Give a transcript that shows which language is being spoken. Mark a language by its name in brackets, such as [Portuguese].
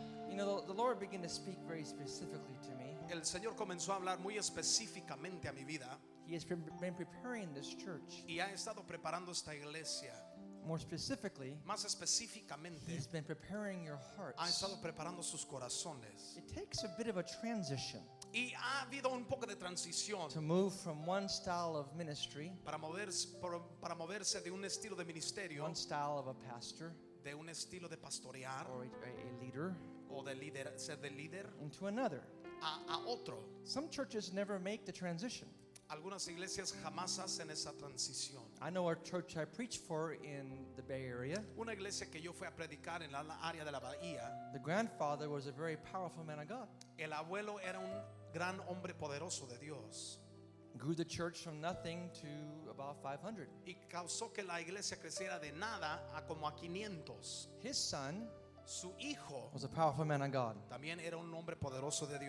[English] You know, the Lord began to speak very specifically to me. [Spanish] El Señor comenzó a hablar muy específicamente a mi vida. [English] He has been preparing this church. [Spanish] Y ha estado preparando esta iglesia. [English] More specifically, [Spanish] más específicamente, [English] he's been preparing your hearts. [Spanish] Ha estado preparando sus corazones. [English] It takes a bit of a transition. [Spanish] Y ha habido un poco de transición. [English] To move from one style of ministry. [Spanish] Para moverse de un estilo de ministerio. [English] One style of a pastor. [Spanish] De un estilo de pastorear. [English] Or a leader. [Spanish] O de líder, ser de líder. [English] Into another. [Spanish] A otro. [English] Some churches never make the transition. [Spanish] Algunas iglesias jamás hacen esa transición. [English] I know a church I preached for in the Bay Area. [Spanish] Una iglesia que yo fui a predicar en la área de la Bahía. [English] The grandfather was a very powerful man of God. [Spanish] El abuelo era un gran hombre poderoso de Dios. [English] Grew the church from nothing to about 500. [Spanish] Y causó que la iglesia creciera de nada a como a 500. [English] His son. [Spanish] Su hijo [English] was a powerful man of God. [Spanish] También era un hombre poderoso de Dios.